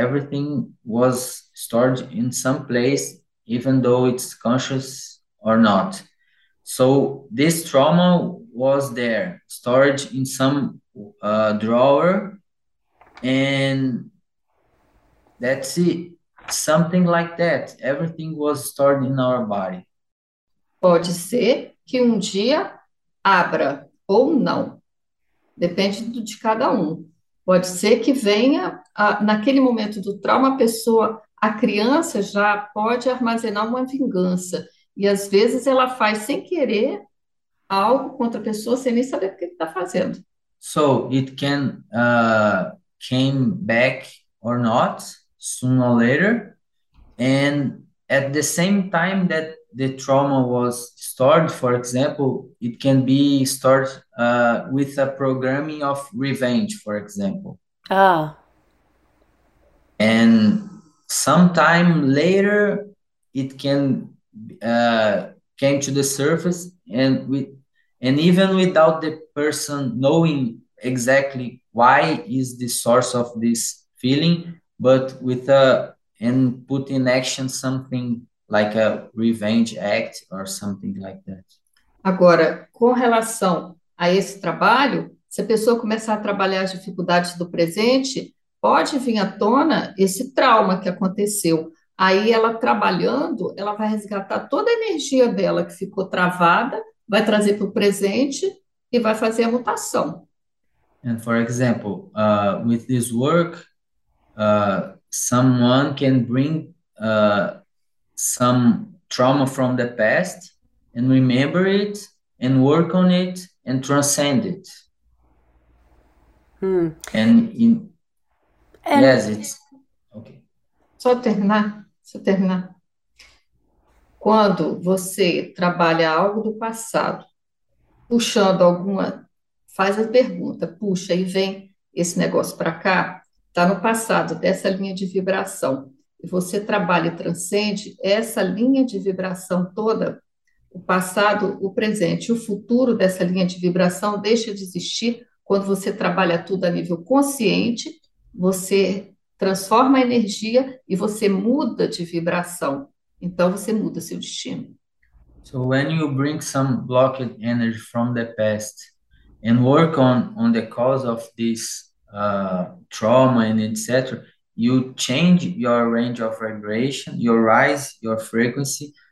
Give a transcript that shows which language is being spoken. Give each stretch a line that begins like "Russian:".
English: Everything was stored in some place, even though it's conscious or not. So this trauma was there, stored in some drawer, and that's it. Something like that. Everything was stored in our body.
Portuguese: Pode ser que um dia abra ou não. Depende de cada um. Pode ser que venha, naquele momento do trauma, a criança já pode armazenar uma vingança. E às vezes ela faz sem querer algo contra a pessoa, sem nem saber o que está fazendo.
English: So it can came back or not, sooner or later. And at the same time that the trauma was stored, for example, it can be stored with a programming of revenge, for example. Ah. And sometime later, it can came to the surface, and even without the person knowing exactly why is the source of this feeling, but with and put in action something like a revenge act or something like that.
Portuguese: Agora, com relação a esse trabalho, se a pessoa começar a trabalhar as dificuldades do presente, pode vir à tona esse trauma que aconteceu. Aí ela trabalhando, ela vai resgatar toda a energia dela que ficou travada, vai trazer para o presente e vai fazer a mutação.
English: And for example, with this work, someone can bring some trauma from the past and remember it and work on it and transcend it. Yes, it's okay.
Portuguese: Só terminar. Quando você trabalha algo do passado, puxando alguma, faz a pergunta, puxa e vem esse negócio para cá, está no passado dessa linha de vibração. E você trabalha e transcende essa linha de vibração toda, o passado, o presente, o futuro dessa linha de vibração deixa de existir. Quando você trabalha tudo a nível consciente, você transforma a energia e você muda de vibração. Então você muda seu destino.
English: So when you bring some blocked energy from the past and work on the cause of this trauma and etc., you change your range of vibration, you rise your frequency.